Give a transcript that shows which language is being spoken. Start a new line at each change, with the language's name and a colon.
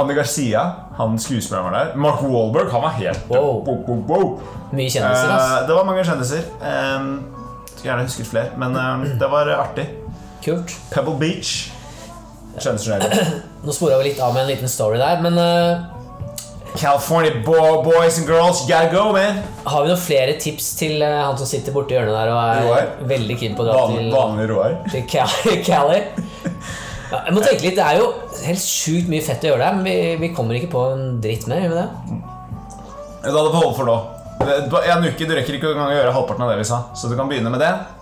Norwegian: Andy Garcia, han skuespilleren var der. Mark Wahlberg, han var helt... Wow. Mye kjendiser, altså. Det var mange kjendiser. Skal gjerne huske flere, men det var artig. Kult. Pebble Beach. Nå sporer vi litt av med en liten story der, men...
English: California boys and girls, you gotta go, man!
Norwegian: Har vi noen flere tips til han som sitter borte i hjørnet der og er Roar. Veldig kinn på å dra Van, til... Vanlig Roar. Til Cali. Ja, jeg må tenke litt, det jo helt sjukt mye fett å gjøre det, men vi kommer ikke på en dritt mer, gjør vi det? Da hadde vi holdt for nå. En uke, du rekker ikke å gjøre halvparten av det vi sa, så du kan begynne med det.